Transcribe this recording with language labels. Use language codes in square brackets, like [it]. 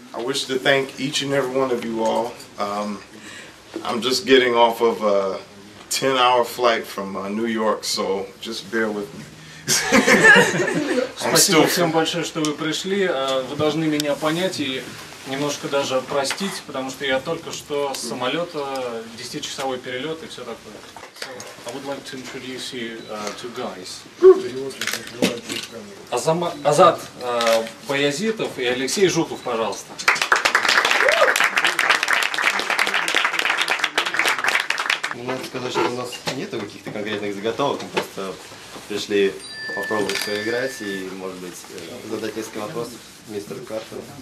[en] wish to thank each and every one of you all. I'm just getting off of a 10-hour flight from New York, so just bear with me. [ru] Спасибо всем большое, что вы пришли. Вы должны меня понять и немножко даже простить, потому что я только что с самолета, 10-часовой перелет и все такое. [en] I would like to introduce you to guys. [ru] Азат Баязитов и Алексей Жуков, пожалуйста. Надо сказать, что у нас нету каких-то конкретных заготовок, мы просто пришли попробовать поиграть и, может быть, задать несколько вопросов мистеру Картеру.